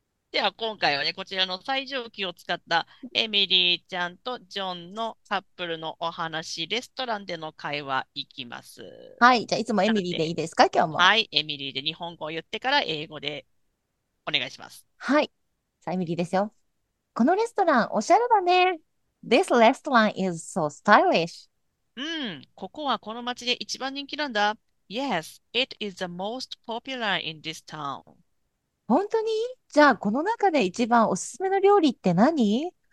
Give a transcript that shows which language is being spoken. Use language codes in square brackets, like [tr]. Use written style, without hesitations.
[ja] では今回はね、こちらの最上級を使ったエミリーちゃんとジョンのカップルのお話、レストランでの会話いきます。はい、じゃあいつもエミリーでいいですか、今日も。はい、エミリーで日本語を言ってから英語でお願いします。はい、さあエミリーですよ。このレストランおしゃれだね。 [en] This restaurant is so stylish. [ja] うん、ここはこの町で一番人気なんだ。 [en] Yes, it is the most popular in this town. [ja] 本当に？じゃあこの中で一番おすすめの料理って何？